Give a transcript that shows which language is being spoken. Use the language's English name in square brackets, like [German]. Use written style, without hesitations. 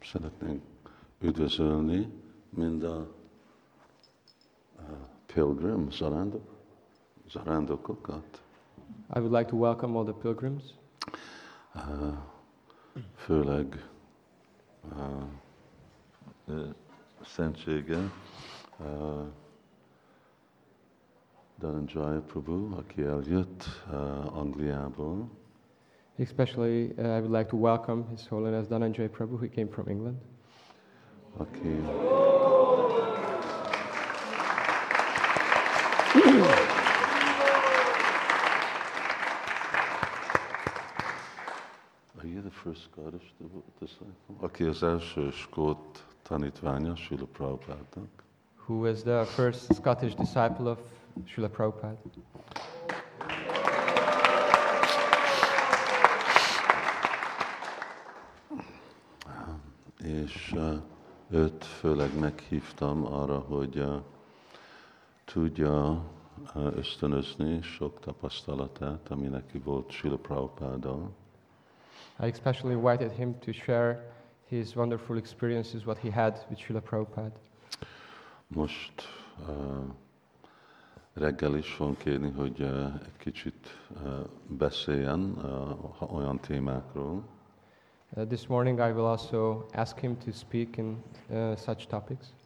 [Hungarian] Szeretnénk üdvözölni mind a pilgrim, zarándokokat. [English] I would like to welcome all the pilgrims. [Hungarian] Főleg szentsége Dhananjaya Prabhu, aki eljött Angliából. [English] Especially, I would like to welcome His Holiness Dhananjaya Prabhu, who came from England. [Hungarian] Aki, [English] are you the first Scottish disciple? [Hungarian] Aki az első skót tanítványa Srila Prabhupádnak. [English] Who was the first Scottish disciple of Srila Prabhupada? [Hungarian] És őt főleg meghívtam arra, hogy tudja ösztönözni sok tapasztalatát, ami neki volt Srila Prabhupáddal. [English] I especially invited him to share his wonderful experiences, what he had with Srila Prabhupada. [Hungarian] Most reggel is fogom kérni, hogy egy kicsit beszéljen olyan témákról. [English] This morning I will also ask him to speak in such topics.